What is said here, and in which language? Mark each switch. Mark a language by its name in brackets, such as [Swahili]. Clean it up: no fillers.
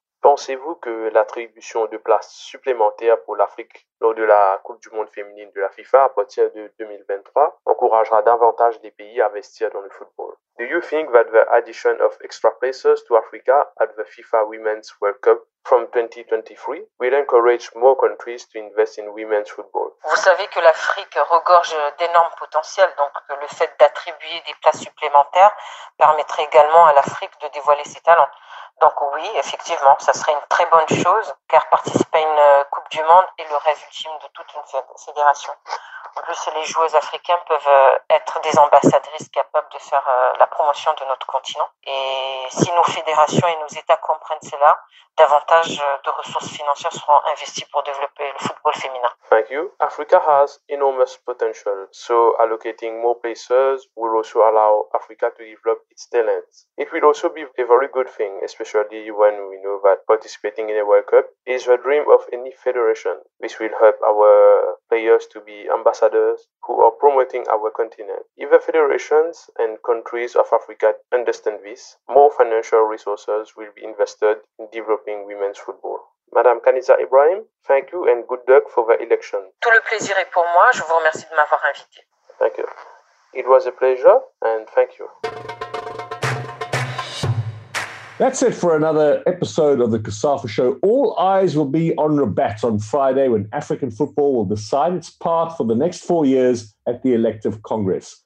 [French] Pensez-vous que l'attribution de places supplémentaires pour l'Afrique lors de la Coupe du monde féminine de la FIFA à partir de 2023 encouragera davantage les pays à investir dans le football? [English] Do you think that the addition of extra places to Africa at the FIFA Women's World Cup from 2023 will encourage more countries to invest in women's football? [French] Vous savez que l'Afrique regorge d'énormes potentiels, donc le fait d'attribuer des places supplémentaires permettrait également à l'Afrique de dévoiler ses talents. Donc oui, effectivement, ça serait une très bonne chose, car participer à une Coupe du Monde est le rêve ultime de toute une fédération. En plus, les joueuses africaines peuvent être des ambassadrices capables de faire la promotion de notre continent. Et si nos fédérations et nos États comprennent cela, davantage de ressources financières seront investies pour développer le football féminin. [English] Thank you. Africa has enormous potential, so allocating more places will also allow Africa to develop its talents. It will also be a very good thing, especially when we know that participating in a World Cup is the dream of any federation. This will help our players to be ambassadors who are promoting our continent. If the federations and countries of Africa understand this, more financial resources will be invested in developing women's football. Madame Kaniza Ibrahim, thank you and good luck for the election. [French] Tout le plaisir est pour moi. Je vous remercie de m'avoir invité. [English] Thank you. It was a pleasure and thank you. That's it for another episode of the COSAFA Show. All eyes will be on Rabat on Friday when African football will decide its path for the next 4 years at the elective Congress.